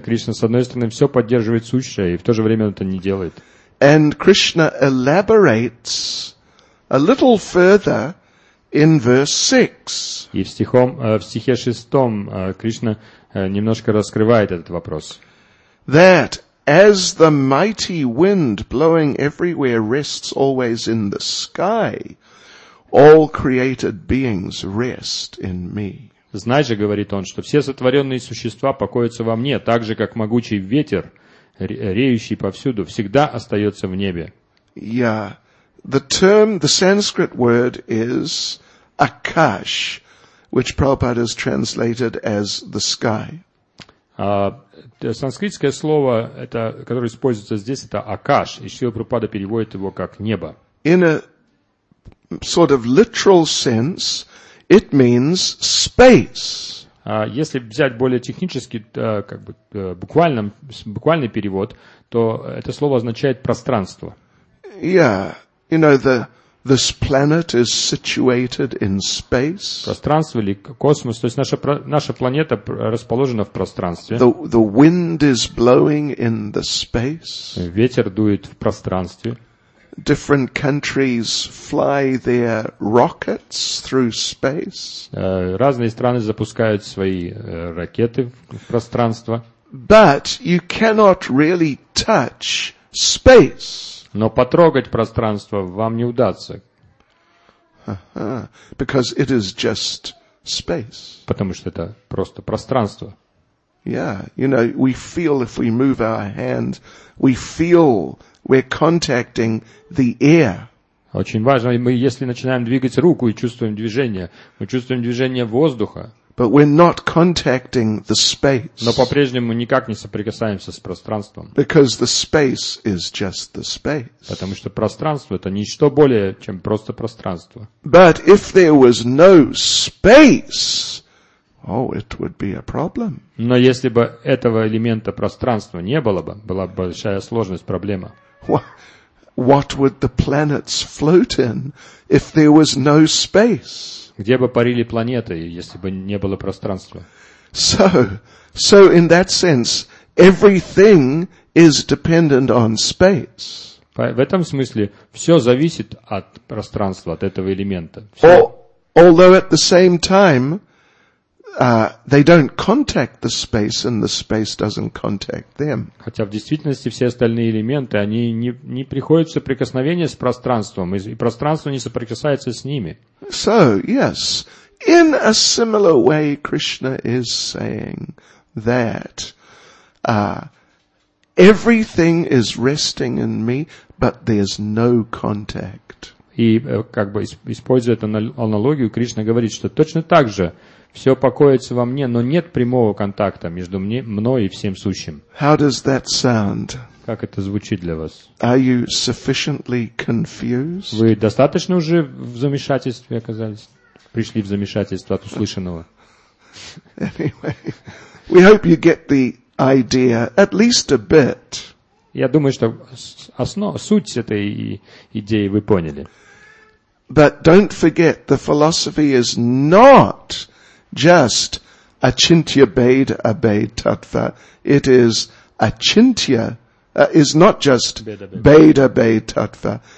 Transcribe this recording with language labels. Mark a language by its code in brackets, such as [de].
[ru] Кришна, с одной стороны, все поддерживает сущее, и в то же время он это не делает. [en] And Krishna elaborates a little further in verse 6. [ru] И в стихе шестом Кришна немножко раскрывает этот вопрос. [en] That as the mighty wind blowing everywhere rests always in the sky, all created beings rest in me. [ru] Знай же, говорит он, что все сотворенные существа покоятся во мне, так же, как могучий ветер, реющий повсюду, всегда остается в небе. [en] Yeah. The term, the Sanskrit word is akash, which Prabhupada has translated as the sky. [ru] Санскритское слово, это, которое используется здесь, это акаш, и Шрила Прабхупада переводит его как небо. [en] In a sort of literal sense, it means space. [ru] Если взять более технический, буквальный перевод, то это слово означает пространство. [en] Yeah, you know, this planet is situated in space. [ru] Пространство или космос, то есть наша планета расположена в пространстве. [en] The wind is blowing in the space. [ru] Ветер дует в пространстве. [en] Different countries fly their rockets through space. [ru] Разные страны запускают свои ракеты в пространство. [en] But you cannot really touch space. [ru] Но потрогать пространство вам не удастся. [en] Because it is just space. [ru] Потому что это просто пространство. [en] Yeah, you know, we feel if we move our hand, we feel we're contacting the air. [ru] Очень важно, мы если начинаем двигать руку и чувствуем движение, мы чувствуем движение воздуха. [en] But we're not contacting the space. [ru] Но по-прежнему никак не соприкасаемся с пространством. [en] Because the space is just the space. [ru] Потому что пространство это ничто более, чем просто пространство. [en] But if there was no space, oh, it would be a problem. [ru] Но если бы этого элемента пространства не было бы, была бы большая сложность, проблема. [en] What would the planets float in if there was no space? [ru] Где бы парили планеты, если бы не было пространства? [en] So in that sense, everything is dependent on space. [ru] В этом смысле все зависит от пространства, от этого элемента. [en] Although at the same time, they don't contact the space, and the space doesn't contact them. [ru] Хотя в действительности все остальные элементы они не приходят в соприкосновение с пространством, и пространство не соприкасается с ними. [en] So yes, in a similar way, Krishna is saying that everything is resting in me, but there's no contact. [ru] И как бы используя эту аналогию, Кришна говорит, что точно так же все покоится во мне, но нет прямого контакта между мной и всем сущим. [en] How does that sound? [ru] Как это звучит для вас? [en] Are you sufficiently confused? [ru] Вы достаточно уже в замешательстве оказались? Пришли в замешательство от услышанного? [en] Anyway, we hope you get the idea at least a bit. [ru] Я думаю, что суть этой идеи вы поняли. [en] But don't forget, the philosophy is not just achintya bhed abhed tattva. It is achintya, is not just bhed abhed tattva.